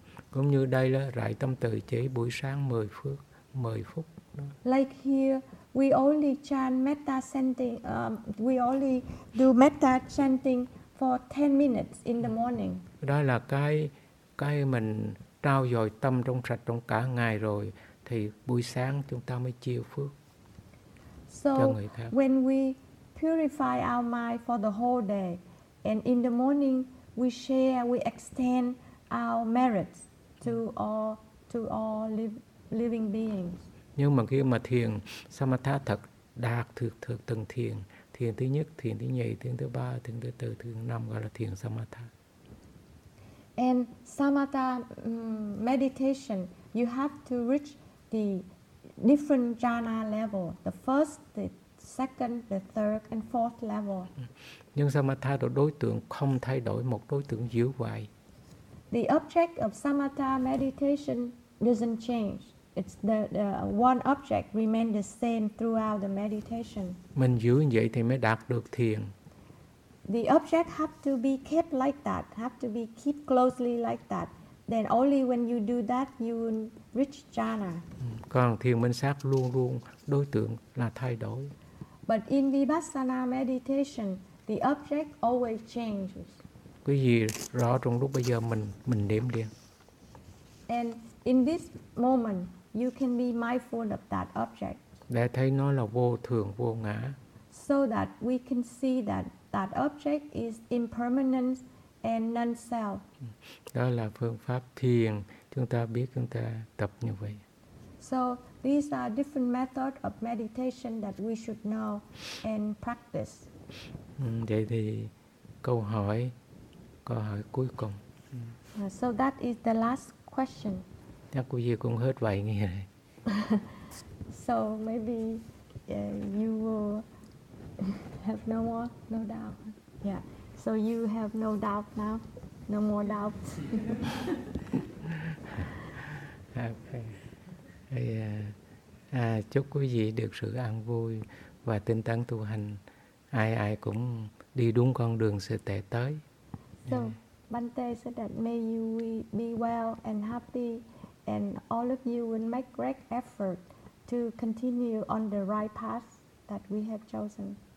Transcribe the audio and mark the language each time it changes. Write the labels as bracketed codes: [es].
[vi] Cũng như đây là rải tâm từ chỉ buổi sáng 10 phút. 10 phút. [en] Like here, we only chant metta chanting. We only do metta chanting for 10 minutes in the morning. [vi] Đó là cái mình trao dồi tâm trong sạch trong cả ngày rồi thì buổi sáng chúng ta mới chia phước cho người khác. [en] So when we purify our mind for the whole day, and in the morning we share, we extend our merits to all living beings. [vi] Nhưng mà khi mà thiền samatha thật đạt thực từng thiền thứ nhất, thiền thứ nhì, thiền thứ ba, thiền thứ tư, thiền thứ năm gọi là thiền samatha. [en] And samatha meditation, you have to reach the different jhana level, the first, the second, the third and fourth level. [vi] Nhưng samatha đối tượng không thay đổi, một đối tượng giữ hoài. [en] The object of samatha meditation doesn't change. It's the one object remain the same throughout the meditation. [vi] Mình giữ như vậy thì mới đạt được thiền. [en] The object have to be kept like that, have to be kept closely like that. Then only when you do that, you will reach jhana. [vi] Còn thiền minh sát luôn luôn đối tượng là thay đổi. [en] But in vipassana meditation, the object always changes. [vi] Cái gì rõ trong lúc bây giờ mình niệm liền. [en] And in this moment, you can be mindful of that object. [vi] Để thấy nó là vô thường, vô ngã. [en] So that we can see that object is impermanent and non-self. [vi] Đó là phương pháp thiền. Chúng ta biết chúng ta tập như vậy. [en] So these are different methods of meditation that we should know and practice. [vi] Vậy thì câu hỏi cuối cùng. [en] So that is the last question. [vi] Chắc quý vị cũng hết vậy nghe này. [en] So maybe you will have no more, no doubt. Yeah. So you have no doubt now? No more doubt? Okay. [vi] Chúc quý vị được sự an vui và tinh tấn tu hành. Ai ai cũng đi đúng con đường sẽ tệ tới. [en] So, Bhante said that may you be well and happy. And all of you will make great effort to continue on the right path that we have chosen.